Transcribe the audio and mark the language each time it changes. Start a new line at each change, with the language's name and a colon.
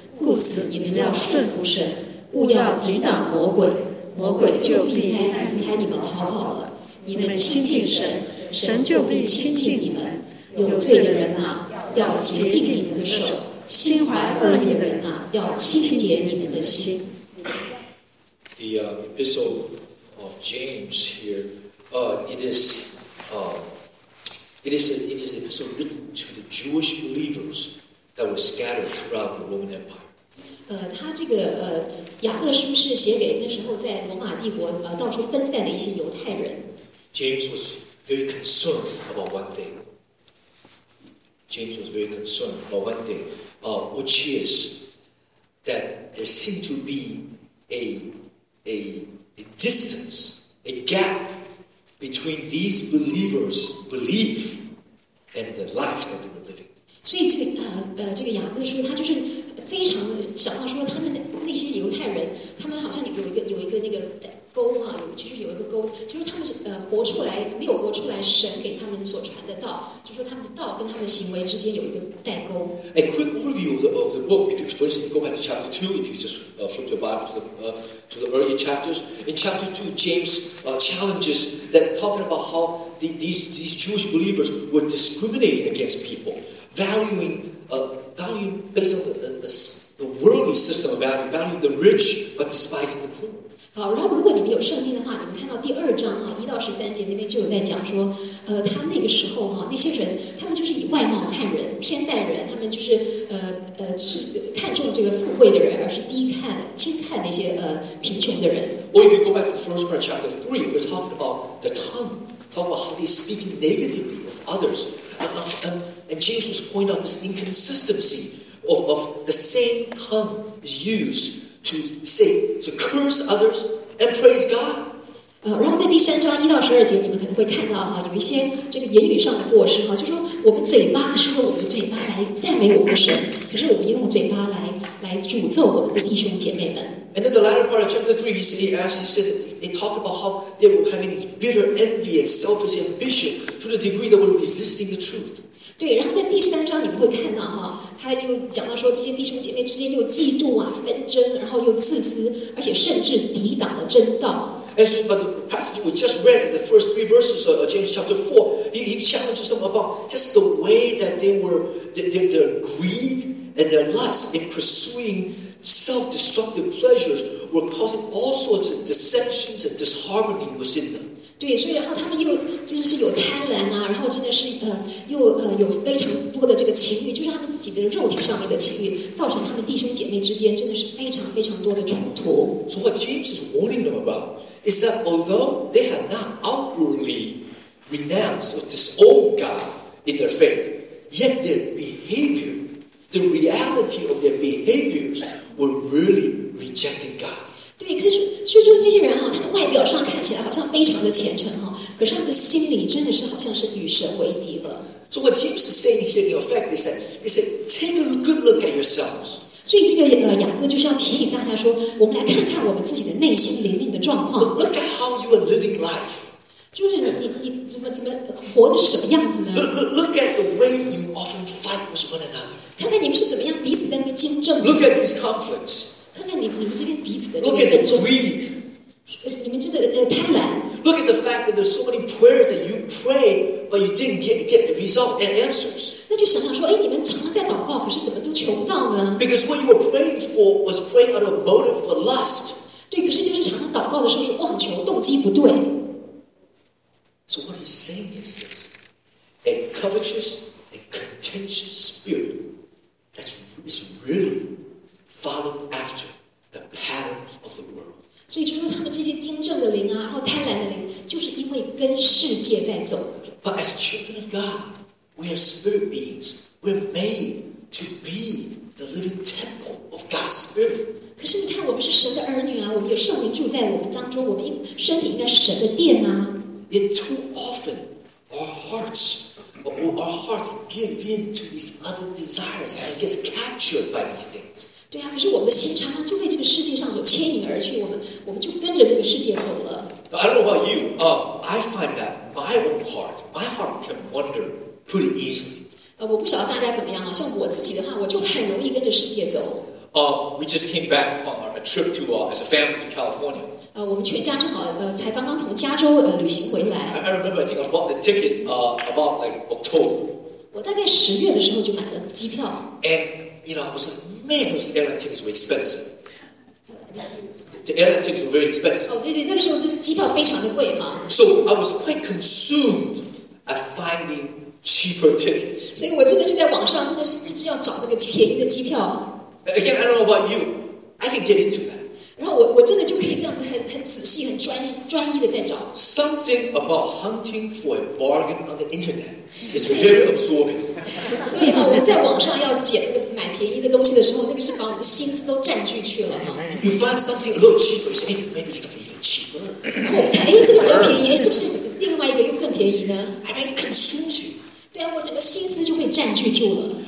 Chinese: 故此你们要顺服神，勿要抵挡魔鬼，魔鬼就避开你们逃跑了。你们亲近神，神就必亲近你们。有罪的人啊，要洁净你们的手；心怀恶意的人啊，要清洁你们的心。
English: The epistle of James here, it is an epistle written to the Jewish believers that were scattered throughout the Roman Empire.
Chinese: 他这个雅各书是写给那时候在罗马帝国到处分散的一些犹太人。
English: James was very concerned about one thing. James was very concerned about one thing, which is that there seemed to be a distance, a gap between these believers' belief and the life that they were living.
Chinese: 所以这个雅各书他就是非常想到说，他们那些犹太人，他们好像有一个那个沟哈、啊，就是有一个沟，就是他们活出来没有活出来神给他们所传的道，就说他们的道跟他们的行为之间有一个代沟。
English: A quick overview of the book, if you for instance go back to chapter 2, if you just flip your Bible to the early chapters, in chapter 2, James challenges that talking about how these Jewish believers were discriminating against people, valuing based on the worldly system of value, valuing the rich but despising the poor.
Chinese: 好，然后如果你们有圣经的话，你们看到第二章哈，一到十三节那边就有在讲说，他那个时候哈，那些人他们就是以外貌看人，偏待人，他们就是就是看重这个富贵的人，而是轻看那些贫穷的人。
English: Or if you go back to the first part of chapter 3, we're talking about the tongue, talking about how they speak negatively of others. And James was pointing out this inconsistency of the same tongue is used to say, to curse others and praise God.
Chinese: 然后在第三章一到十二节，你们可能会看到哈，有一些这个言语上的过失哈，就说我们嘴巴是用我们嘴巴来赞美我们的神，可是我们用嘴巴来诅咒我们的弟兄姐妹们。
English: And then the latter part of chapter 3, he said, they talked about how they were having this bitter envy and selfish ambition to the degree that were resisting the truth.
Chinese: 对，然后在第三章你们会看到哈，他又讲到说这些弟兄姐妹之间又嫉妒啊、纷争，然后又自私，而且甚至抵挡了真道。
English: And so, but the passage we just read in the first three verses of James chapter 4, he challenges them about just the way that they were, their greed and their lust in pursuing self-destructive pleasures were causing all sorts of dissensions and disharmony within them.
Chinese: 对，所以然后他们又真的是有贪婪啊，然后真的是又有非常多的这个情欲，就是他们自己的肉体上面的情欲，造成他们弟兄姐妹之间真的是非常非常多的冲突。
English: So what James is warning them about is that although they have not outwardly renounced or disowned God in their faith, yet their behavior, the reality of their behaviors, were really rejecting God.
Chinese: 对，可是就是这些人哈，他们外表上看起来好像非常的虔诚哈，可是他们的心里真的是好像是与神为敌了。
English: So what James is saying here, in effect, is that he said, take a good look at yourselves.
Chinese: 所以这个雅各就是要提醒大家说，我们来看看我们自己的内心灵命的状况。
English: Look at how you are living life.
Chinese: 就是你怎么活的是什么样子呢？
English: Look at the way you often fight with one another.
Chinese: 看看你们是怎么样彼此在那边竞争。
English: Look at these conflicts.
Chinese: 看看你们这边彼此的这个纷争。
English: Look at the greed.
Chinese: 你们这个贪婪。
English: Look at the fact that there's so many prayers that you pray but you didn't get the result and answers.
Chinese: 那就想想说，哎，你们常常在祷告，可是怎么都求不到呢？
English: Because what you were praying for was praying out of motive for lust.
Chinese: 对，可是就是常常祷告的时候是妄求，动机不对。
English: So what he's saying is this, a covetous, a contentious spirit that is really following after the patterns of the world.
Chinese: 所以就是他们这些精正的灵啊，然后贪婪的灵，就是因为跟世界在走。
English: But as children of God, we are spirit beings. We're made to be the living temple of God's spirit.
Chinese: 可是你看，我们是神的儿女啊，我们有圣灵住在我们当中，我们身体应该是神的殿啊。
English: Yet too often, our hearts give in to these other desires and gets captured by these things.
Chinese: 对啊，可是我们的心常常就被这个世界上所牵引而去，我们就跟着这个世界走了。
English: I don't know about you. I find that my heart can wander pretty easily.
Chinese: 我不晓得大家怎么样啊。像我自己的话，我就很容易跟着世界走。
English: We just came back from a trip to as a family to California.
Chinese: 我们全家正好才刚刚从加州旅行回来。
English: I remember I think I bought the ticket about like October.
Chinese: 我大概十月的时候就买了机票。
English: And you know, I was amazed because airline tickets were expensive. The airline tickets were very expensive.
Chinese: 对对，那个时候就是机票非常的贵哈。
English: So I was quite consumed at finding cheaper tickets.
Chinese: 所以我真的就在网上真的是一直要找那个便宜的机票。
English: Again, I don't know about you. I can get into that.
Chinese: 然后我真的就可以这样子很仔细、很专一的在找。
English: Something about hunting for a bargain on the internet is very absorbing.
Chinese: 所以啊，我在网上要捡那个买便宜的东西的时候，那个是把我的心思都占据去了哈。
English: You find something a little cheaper, say, hey, maybe something even cheaper.
Chinese: 然后我看，哎，这个比较便宜，是不是另外一个又更便宜呢？
English: I mean, it consumes you.
Chinese: 对啊，我整个心思就被占据住了。